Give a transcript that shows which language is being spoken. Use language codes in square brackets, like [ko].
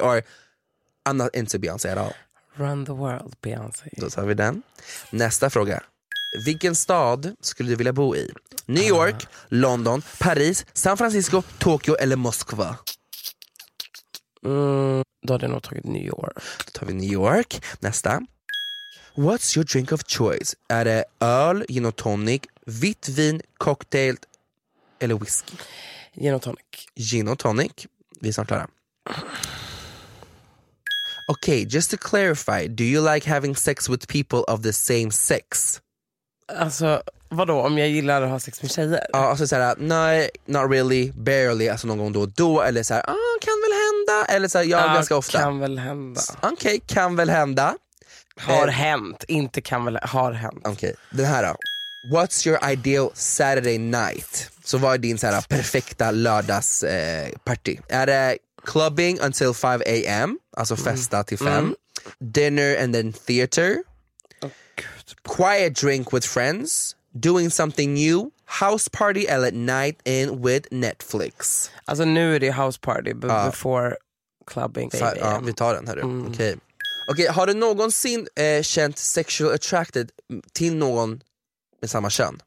[en] Or I'm not into Beyoncé at all. Run the world, Beyoncé. [sv] Då tar vi den. Nästa fråga. Vilken stad skulle du vilja bo i? New York, London, Paris, San Francisco, Tokyo eller Moskva? Då hade jag nog tagit New York. Då tar vi New York. Nästa. [en] What's your drink of choice? [sv] Är det öl, gin och tonic, vitt vin, cocktail eller whisky? Gin och tonic. Gin och tonic. Vi är snart klara. [en] Okay, just to clarify, do you like having sex with people of the same sex? [sv] Alltså, vadå, om jag gillar att ha sex med tjejer? Ja, alltså såhär, nej, [en] not really, barely, [sv] alltså någon gång då, eller såhär, kan väl hända, eller såhär, ganska ofta. Kan väl hända. Okej, okay, kan väl hända. Har hänt, inte kan väl, har hänt. Okej, okay, den här då. [en] What's your ideal Saturday night? [sv] Så vad är din såhär perfekta lördags party? Är det [en] clubbing until 5 a.m.? [sv] Alltså festa till 5. [en] Dinner and then theater. Quiet drink with friends. Doing something new. House party eller night in with Netflix. [sv] Alltså nu är det house party, [en] but before clubbing. [sv] Ja, vi tar den här. Okej, har du någonsin känt [en] sexual attracted [sv] till någon med samma kön?